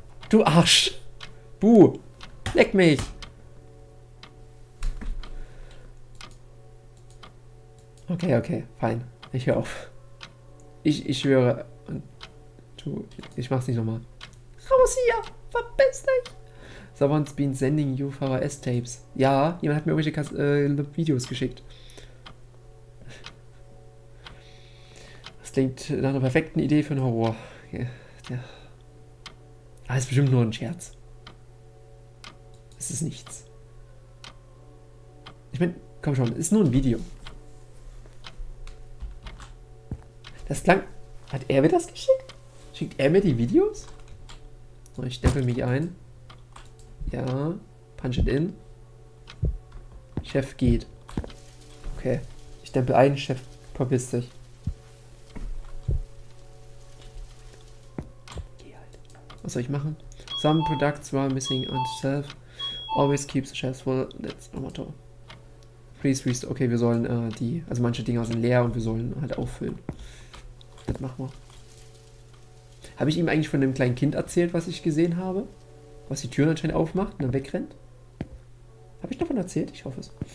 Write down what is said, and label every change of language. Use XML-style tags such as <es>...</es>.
<de>Du Arsch! Buh! Leck mich! Okay, fein. Ich höre auf. Ich schwöre. Du, ich mach's nicht nochmal. Raus hier! Verpiss dich!</de> <en>Someone's been sending you VHS-Tapes.</en> <de>Ja, jemand hat mir irgendwelche Videos geschickt. Das klingt nach einer perfekten Idee für einen Horror. Ja. Ah, ist bestimmt nur ein Scherz. Es ist nichts. Ich meine. Komm schon, ist nur ein Video. Das klang. Hat er mir das geschickt? Schickt er mir die Videos? So, ich stempel mich ein. Ja,</de> <en>punch it in.</en> <de>Chef geht. Okay, ich stempel ein, Chef verpiss dich. Was soll ich machen?</de> <en>Some products were missing on the shelf. Always keep the shelves full. That's our motto. Please restore.</en> <de>Okay, wir sollen die. Also manche Dinger sind leer und wir sollen halt auffüllen. Das machen wir. Habe ich ihm eigentlich von dem kleinen Kind erzählt, was ich gesehen habe? Was die Tür anscheinend aufmacht und dann wegrennt? Habe ich davon erzählt? Ich hoffe es.</de>